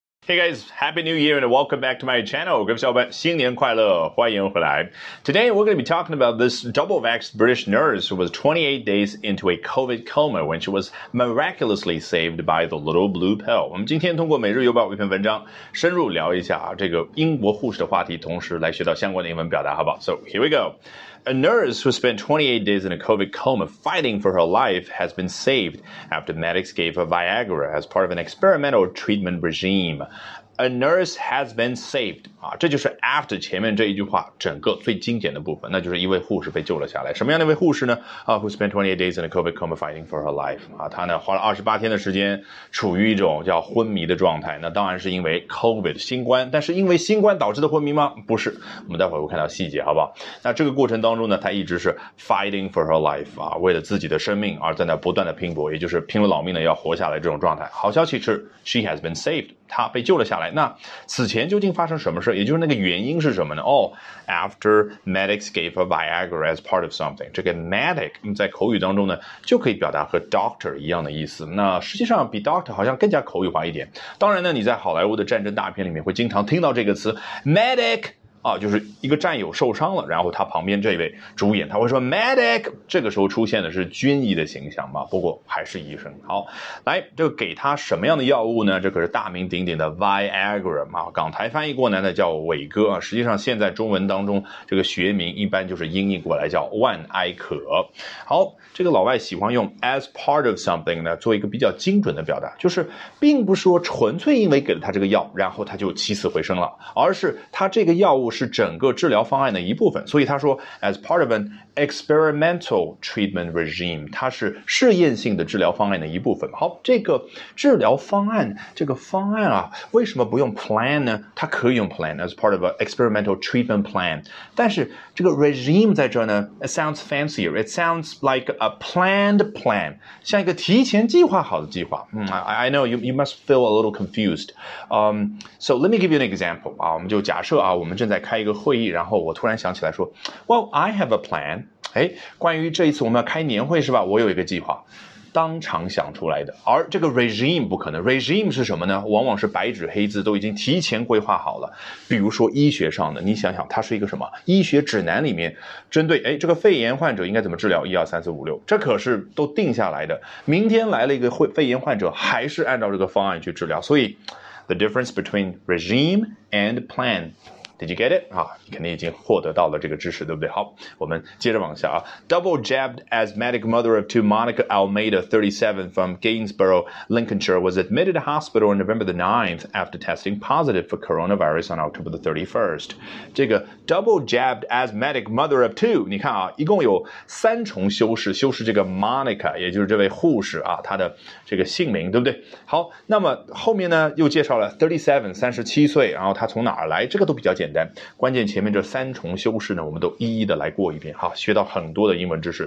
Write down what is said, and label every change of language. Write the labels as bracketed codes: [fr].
[en] Hey guys, Happy New Year and welcome back to my channel. [zh] 各位小伙伴，新年快乐，欢迎回来。 [en] Today, we're going to be talking about this double-vaxxed British nurse who was 28 days into a COVID coma when she was miraculously saved by the little blue pill. [zh] 我们今天通过每日邮报一篇文章深入聊一下这个英国护士的话题，同时来学到相关的英文表达，好不好？ [en] So, here we go. A nurse who spent 28 days in a COVID coma fighting for her life has been saved after medics gave her Viagra as part of an experimental treatment regime. A nurse has been saved. [zh] 啊，这就是 after 前面这一句话整个最精简的部分，那就是一位护士被救了下来。什么样的一位护士呢？ [en] 啊， who spent 28 days in a COVID coma fighting for her life. [zh] 啊，她呢花了28天的时间处于一种叫昏迷的状态。那当然是因为 COVID 新冠，但是因为新冠导致的昏迷吗？不是。我们待会儿会看到细节，好不好？那这个过程当中呢，她一直是 [en] fighting for her life. [zh] 啊，为了自己的生命而在那不断的拼搏，也就是拼了老命的要活下来这种状态。好消息是 [en] she has been saved. [zh] 他被救了下来。那此前究竟发生什么事？也就是那个原因是什么呢？ [en] 哦、after medics gave her Viagra as part of something. [zh] 这个 medic 在口语当中呢，就可以表达和 doctor 一样的意思。那实际上比 doctor 好像更加口语化一点。当然呢，你在好莱坞的战争大片里面会经常听到这个词 medic。啊，就是一个战友受伤了，然后他旁边这位主演他会说 medic， 这个时候出现的是军医的形象嘛，不过还是医生。好，来，这个给他什么样的药物呢？这可是大名鼎鼎的 Viagra 嘛，港台翻译过来呢叫伟哥啊，实际上现在中文当中这个学名一般就是音译过来叫万艾可。好，这个老外喜欢用 [en] as part of something [zh] 呢做一个比较精准的表达，就是并不说纯粹因为给了他这个药然后他就起死回生了，而是他这个药物是整个治疗方案的一部分。所以他说 [en] as part of an experimental treatment regime， [zh] 它是试验性的治疗方案的一部分。好，这个治疗方案，这个方案啊，为什么不用 plan 呢？它可以用 [en] plan as part of an experimental treatment plan， [zh] 但是这个 regime 在这呢， [en] it sounds fancier， it sounds like a planned plan， [zh] 像一个提前计划好的计划。 [en] I know you must feel a little confused. So let me give you an example. [zh] 啊，我们就假设啊，我们正在开一个会议，然后我突然想起来说 ， [en] Well, I have a plan. [zh] 哎，关于这一次我们要开年会是吧？我有一个计划，当场想出来的。而这个 regime 不可能 ，regime 是什么呢？往往是白纸黑字都已经提前规划好了。比如说医学上的，你想想，它是一个什么？医学指南里面针对哎这个肺炎患者应该怎么治疗？一二三四五六，这可是都定下来的。明天来了一个肺炎患者，还是按照这个方案去治疗。所以 [en] ，the difference between regime and plan。 Did you get it? [zh] 啊，你肯定已经获得到了这个知识，对不对？好，我们接着往下啊。 [en] Double jabbed asthmatic mother of two, Monica Almeida, 37, from Gainsborough, Lincolnshire, was admitted to hospital on November the 9th after testing positive for coronavirus on October the 31st. [zh] 这个 [en] double jabbed asthmatic mother of two, [zh] 你看啊，一共有三重修饰，修饰这个 Monica, 也就是这位护士啊，她的这个姓名，对不对？好，那么后面呢，又介绍了 37, 37岁，然后她从哪儿来，这个都比较简单，关键前面这三重修饰呢，我们都一一的来过一遍哈，学到很多的英文知识。